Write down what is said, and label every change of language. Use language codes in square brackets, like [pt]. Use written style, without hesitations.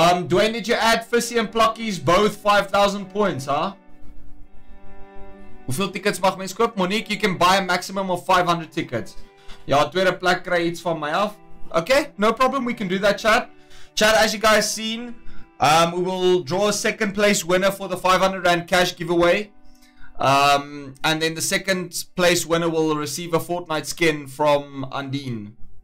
[en] Dwayne, did you add Fissy and Plucky's both 5,000 points, huh? [af] Hoeveel tickets mag mens koop? [en] Monique, you can buy a maximum of 500 tickets. [af] Ja, tweede plek kry iets van my af. [en] Okay, no problem, we can do that, chat. Chat, as you guys seen, we will draw a second place winner for the 500 Rand cash giveaway. And then the second place winner will receive a Fortnite skin from Undine.